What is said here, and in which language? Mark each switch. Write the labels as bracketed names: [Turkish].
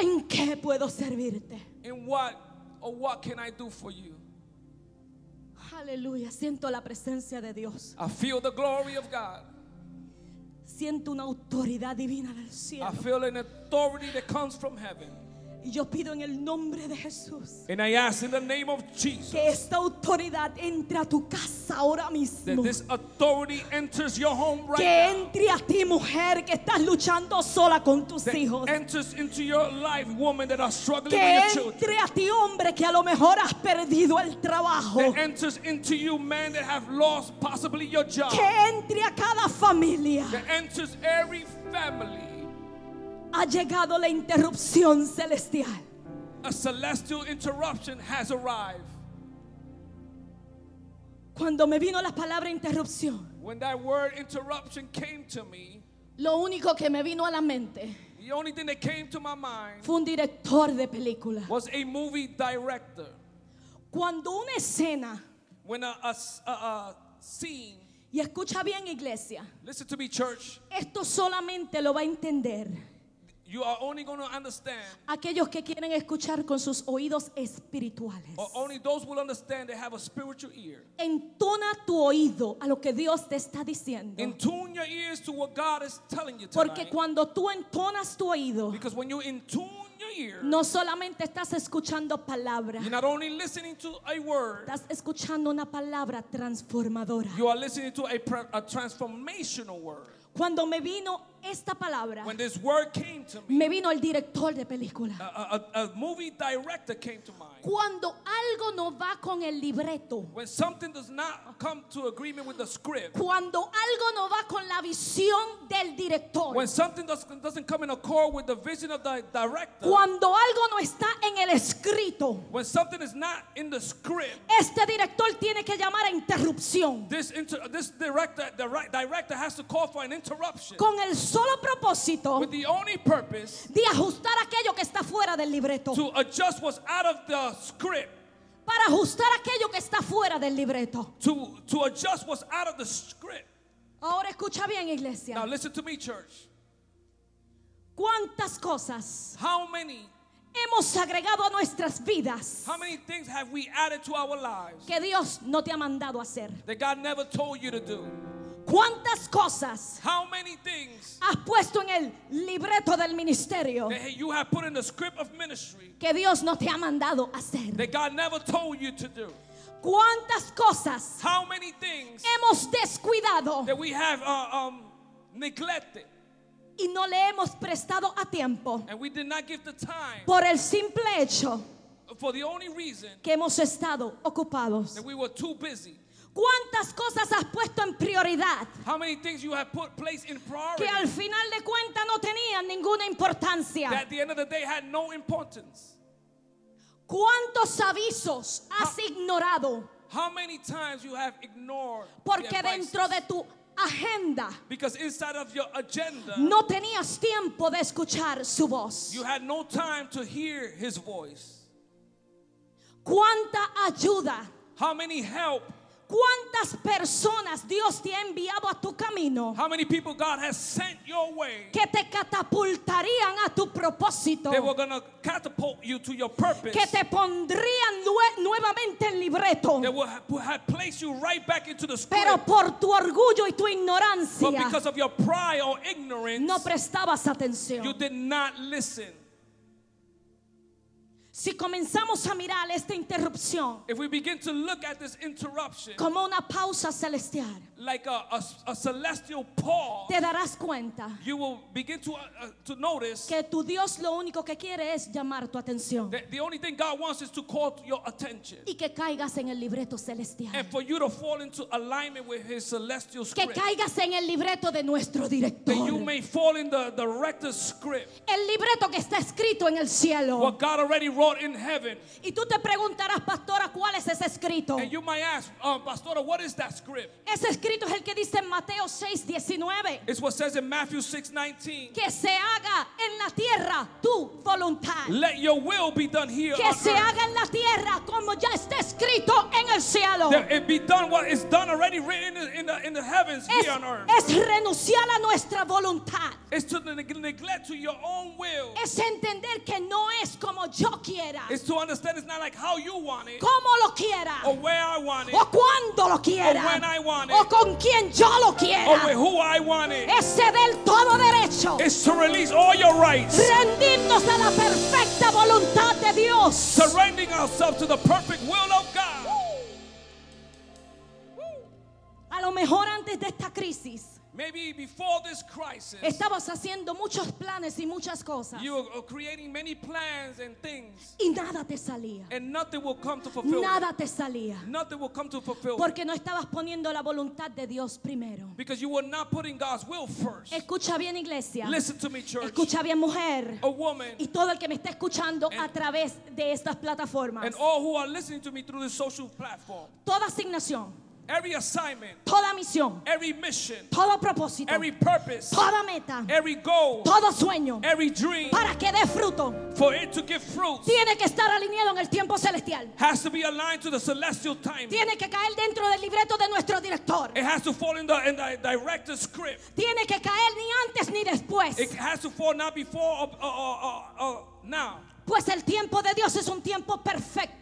[Spanish] ¿En qué puedo servirte? [English] In what or what can I do for you? [Spanish] Aleluya, siento la presencia de Dios. [English] I feel the glory of God. [Spanish] Siento una autoridad divina del cielo. [English] I feel an authority that comes from heaven. [Spanish] Y yo pido en el nombre de Jesús. [English] And I ask in the name of Jesus. [Spanish] Que esta autoridad entre a tu casa ahora mismo. [English] That this authority enters your home right now. [Spanish] Que entre a ti, mujer, que estás luchando sola con tus hijos. [English] That enters into your life, woman, that are struggling with your children. [Spanish] Que entre a ti, hombre, que a lo mejor has perdido el trabajo. [English] That enters into you, man, that have lost possibly your job. [Spanish] Que entre a cada familia. [English] That enters every family. [Spanish] Ha llegado la interrupción celestial. [English] A celestial interruption has arrived. [Spanish] Cuando me vino la palabra interrupción, [English] when that word interruption came to me, [Spanish] lo único que me vino a la mente, [English] the only thing that came to my mind, [Spanish] fue un director de película, [English] was a movie director. [Spanish] Cuando una escena, [English] when a scene. [Spanish] Y escucha bien, iglesia. [English] Listen to me, church. [Spanish] Esto solamente lo va a entender. [English] You are only going to understand. [Spanish] Aquellos que quieren escuchar con sus oídos espirituales. [English] Or only those will understand that have a spiritual ear. [Spanish] Entona tu oído a lo que Dios te está diciendo. [English] In tune your ears to what God is telling you tonight. [Spanish] Porque cuando tú entonas tu oído, [English] because when you in tune. [Spanish] No solamente estás escuchando palabra. [English] You're not only listening to a word. [Spanish] Estás escuchando una palabra transformadora. [English] You are listening to a transformational word. [Spanish] Cuando me vino esta palabra, [English] when this word came to me, [Spanish] me vino el director de película. [English] A movie director came to mind. [Spanish] Cuando algo no va con el libreto, [English] when something does not come to agreement with the script, [Spanish] cuando algo no va con la visión del director, [English] when something doesn't come in accord with the vision of the director, [Spanish] cuando algo no está en el escrito, [English] when something is not in the script, [Spanish] este director tiene que llamar a interrupción. [English] This director has to call for an interruption. [Spanish] Con el solo propósito, [English] with the only purpose, [Spanish] de ajustar aquello que está fuera del libreto, [English] to adjust what's out of the script, [Spanish] para ajustar aquello que está fuera del libreto, [English] to adjust what's out of the script. [Spanish] Ahora escucha bien, iglesia. [English] Now listen to me, church. [Spanish] ¿Cuántas cosas? [English] How many? [Spanish] Hemos agregado a nuestras vidas. [English] How many things have we added to our lives? [Spanish] Que Dios no te ha mandado a hacer. [English] That God never told you to do. [Spanish] ¿Cuántas cosas? [English] How many things? [Spanish] Has puesto en el libreto del ministerio. [English] That you have put in the script of ministry. [Spanish] Que Dios no te ha mandado a hacer. [English] That God never told you to do. [Spanish] ¿Cuántas cosas? [English] How many things? [Spanish] Hemos descuidado. [English] That we have neglected. [Spanish] Y no le hemos prestado a tiempo. [English] And we did not give the time. [Spanish] Por el simple hecho. [English] For the only reason. [Spanish] Que hemos estado ocupados. [English] That we were too busy. [Spanish] ¿Cuántas cosas has puesto en prioridad? [English] How many things you have put place in priority. [Spanish] Que al final de cuentas no tenían ninguna importancia. [English] That at the end of the day had no importance. [Spanish] ¿Cuántos avisos has ignorado? [English] How many times you have ignored. [Spanish] Porque dentro de tu agenda, [English] because inside of your agenda, [Spanish] no tenías tiempo de escuchar su voz. [English] You had no time to hear his voice. [Spanish] ¿Cuánta ayuda? [English] How many help? [Spanish] ¿Cuántas personas Dios te ha enviado a tu camino? [English] How many people God has sent your way? [Spanish] Que te catapultarían a tu propósito. [English] They were going to catapult you to your purpose. [Spanish] Que te pondrían nuevamente en libreto. [English] They would have placed you right back into the script. [Spanish] Pero por tu orgullo y tu ignorancia. [English] But because of your pride or ignorance. [Spanish] No prestabas atención. [English] You did not listen. [Spanish] Si comenzamos a mirar esta interrupción, [English] if we begin to look at this interruption, [Spanish] como una pausa celestial, [English] like a celestial pause, [Spanish] te darás cuenta, [English] you will begin to notice, [Spanish] que tu Dios lo único que quiere es llamar tu atención, [English] the only thing God wants is to call your attention, [Spanish] y que caigas en el libreto celestial, [English] and for you to fall into alignment with his celestial script, [Spanish] que caigas en el libreto de nuestro director, [English] that you may fall in the director's script, [Spanish] el libreto que está escrito en el cielo, [English] what God already wrote in heaven. [Spanish] Y tú te preguntarás, pastora, ¿cuál es ese escrito? [English] And you might ask, pastora, what is that script? [Spanish] Ese escrito es el que dice en Mateo 6:19. [English] It's what says in Matthew 6:19. [Spanish] Que se haga en la tierra tu voluntad. [English] Let your will be done here. [Spanish] Que se haga en la tierra como ya está escrito en el cielo. [English] That it be done what is done already written in the heavens here on earth. [Spanish] Es renunciar a nuestra voluntad. [English] It's to neglect to your own will. [Spanish] Es entender que no es como yo quiera. [English] It's to understand it's not like how you want it. [Spanish] Como lo quiera. [English] Or where I want it. [Spanish] O cuando lo quiera. [English] Or when I want it. [Spanish] O con quien yo lo quiera. [English] Or with who I want it. [Spanish] Es ceder todo derecho. [English] It's to release all your rights. [Spanish] rendirnos a la perfecta voluntad de Dios. [English] Surrendering ourselves to the perfect will of God. [Spanish] A lo mejor antes de esta crisis, [English] maybe before this crisis, [Spanish] estabas haciendo muchos planes y muchas cosas. [English] You were creating many plans and things. [Spanish] Y nada te salía. [English] And nothing will come to fulfill. [Spanish] Nada te salía. [English] Nothing will come to fulfill. [Spanish] Porque no estabas poniendo la voluntad de Dios primero. [English] Because you were not putting God's will first. [Spanish] Escucha bien, iglesia. [English] Listen to me, church. [Spanish] Escucha bien, mujer. [English] A woman. [Spanish] Y todo el que me está escuchando a través de estas plataformas. [English] And all who are listening to me through this social platform. [Spanish] Toda asignación. [English] Every assignment, [Spanish] toda misión, [English] every mission, [Spanish] todo propósito, [English] every purpose, [Spanish] toda meta, [English] every goal, [Spanish] todo sueño, [English] every dream, [Spanish] para que dé fruto, [English] for it to give fruit, [Spanish] tiene que estar alineado en el tiempo celestial, [English] has to be aligned to the celestial time, [Spanish] tiene que caer dentro del libreto de nuestro director, [English] it has to fall in the director's script, [Spanish] tiene que caer ni antes ni después, [English] it has to fall not before or now. [Spanish] Pues el tiempo de Dios es un tiempo perfecto.